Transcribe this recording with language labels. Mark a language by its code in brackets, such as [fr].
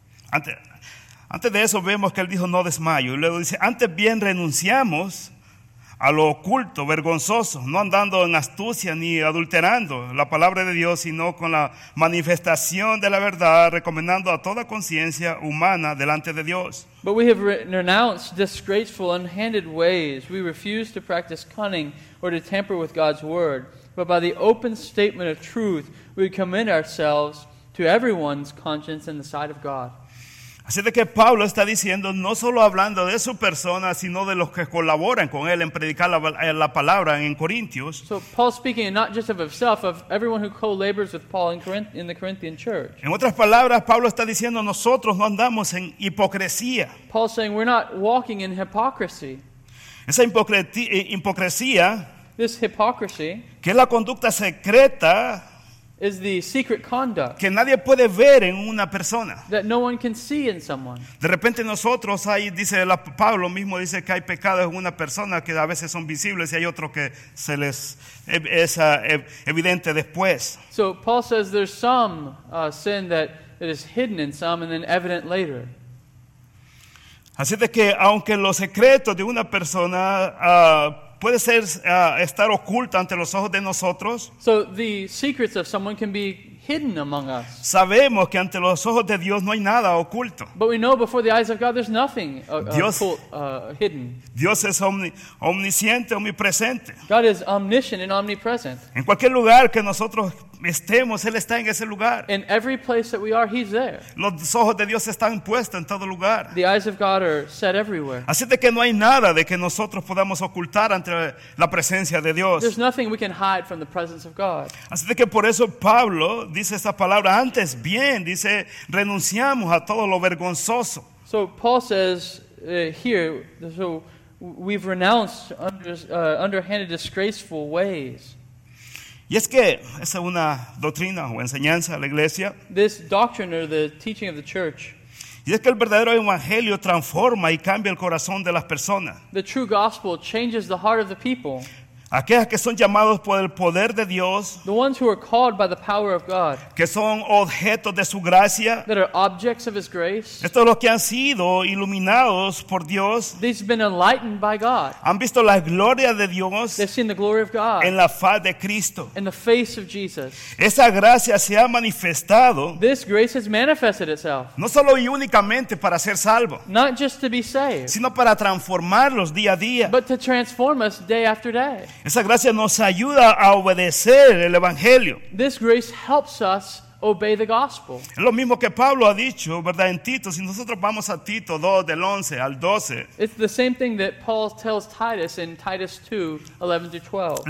[es] Antes de eso vemos que él dijo no desmayo. Y luego dice, antes bien renunciamos a lo oculto, vergonzoso, no andando en astucia ni adulterando la palabra de Dios, sino con la manifestación de la verdad, recomendando a toda conciencia humana delante de Dios. [en] But we have renounced disgraceful, unhanded ways. We refuse to practice cunning or to tamper with God's word. But by the open statement of truth, we commend ourselves to everyone's conscience in the sight of God. [es] Así de que Pablo está diciendo, no solo hablando de su persona, sino de los que colaboran con él en predicar la palabra en Corintios. [en] So Paul's speaking not just of himself, of everyone who co-labors with Paul in the Corinthian church. [es] En otras palabras, Pablo está diciendo, nosotros no andamos en hipocresía. [en] Paul's saying, we're not walking in hypocrisy. [es] Esa hipocresía, [en] this hypocrisy, [es] que es la conducta secreta [en] is the secret conduct [es] que nadie puede ver en una persona. [en] That no one can see in someone. [es] De repente nosotros ahí dice la, Pablo mismo dice que hay pecados en una persona que a veces son visibles y hay otro que se les es evidente después. [en] So Paul says there's some sin that it is hidden in some and then evident later. [es] Así de que aunque los secretos de una persona puede ser estar oculta ante los ojos de nosotros. [en] So the secrets of someone can be hidden among us. [es] Sabemos que ante los ojos de Dios no hay nada oculto. [en] But we know before the eyes of God there's nothing hidden. [es] Dios es omnisciente, omnipresente. [en] God is omniscient and omnipresent. [es] En cualquier lugar que nosotros estemos, Él está en ese lugar. [en] In every place that we are, He's there. [es] Los ojos de Dios están puestos en todo lugar. [en] The eyes of God are set everywhere. [es] Así de que no hay nada de que nosotros podamos ocultar ante la presencia de Dios. [en] There's nothing we can hide from the presence of God. [es] Así de que por eso Pablo dice esta palabra antes, bien, dice, renunciamos a todo lo vergonzoso. [en] So Paul says here, so we've renounced underhanded, disgraceful ways. [es] Y es que esa es una doctrina o enseñanza a la iglesia. [en] This doctrine or the teaching of the church. [es] Y es que el verdadero evangelio transforma y cambia el corazón de las personas. [en] The true gospel changes the heart of the people. [es] Aquellas que son llamados por el poder de Dios. [en] The ones who are called by the power of God. [es] Que son objetos de su gracia. [en] That are objects of His grace. [es] Estos son los que han sido iluminados por Dios. [en] These have been enlightened by God. [es] Han visto la gloria de Dios. [en] They've seen the glory of God. [es] En la faz de Cristo. [en] In the face of Jesus. [es] Esa gracia se ha manifestado. [en] This grace has manifested itself. [es] No solo y únicamente para ser salvo. [en] Not just to be saved. [es] Sino para transformarlos día a día. [en] But to transform us day after day. [es] Esa gracia nos ayuda a obedecer el evangelio. [en] This grace helps us obey the gospel. [es] Es lo mismo que Pablo ha dicho, ¿verdad? En Tito, si nosotros vamos a Tito 2 del 11 al 12. [en] It's the same thing that Paul tells Titus in Titus 2, 11 to 12.